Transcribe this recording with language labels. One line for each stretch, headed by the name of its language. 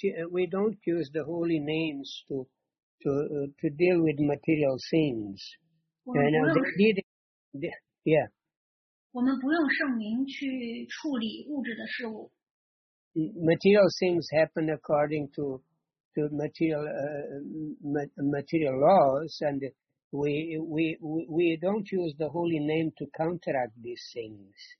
English: We don't use the holy names to deal with material things. And they,
Chinese: 我们不用圣名去处理物质的事物。
English: Material things happen according to material, material laws, and we don't use the holy name to counteract these things.